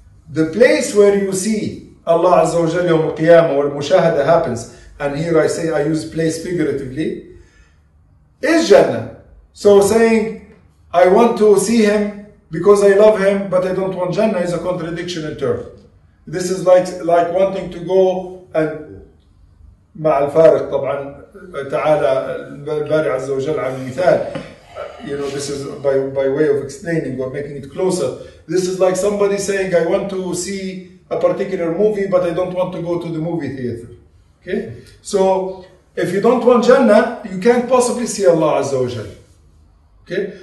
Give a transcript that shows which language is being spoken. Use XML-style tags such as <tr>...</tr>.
<en>The place where you see Allah Azza wa Jalla Yawm al-Qiyamah, where Mushahada happens, and here I use place figuratively, is Jannah. So saying, I want to see Him because I love Him, but I don't want Jannah, is a contradiction in terms. This is like wanting to go and</en> <ar>مع الفارق طبعا تعالى الباري عز وجل عن المثال.</ar> <en>You know, this is by way of explaining or making it closer. This is like somebody saying, I want to see a particular movie, but I don't want to go to the movie theater. Okay? So if you don't want Jannah, you can't possibly see Allah Azza wa Jal. Okay?</en>